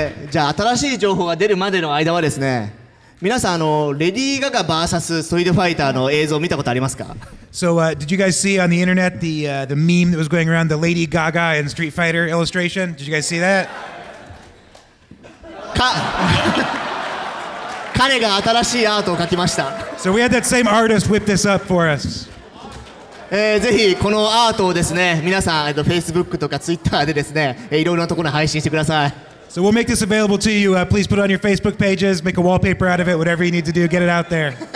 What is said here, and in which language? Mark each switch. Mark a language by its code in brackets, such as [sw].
[ja] じゃあ新しい情報が出るまでの間はですね、皆さん、レディー・ガガ VS ストリートファイターの映像を見たことありますか？ [en] So, did you guys see on the internet the, the meme that was going around, the Lady Gaga and Street Fighter illustration? Did you guys see that? [ja] 彼が新しいアートを描きました。 [en] So we had that same artist whip this up for us. [ja] ぜひこのアートをですね、皆さん、Facebook とか Twitter でですね、いろんなところに配信してください。 [en] So we'll make this available to you. Please put it on your Facebook pages, make a wallpaper out of it, whatever you need to do, get it out there.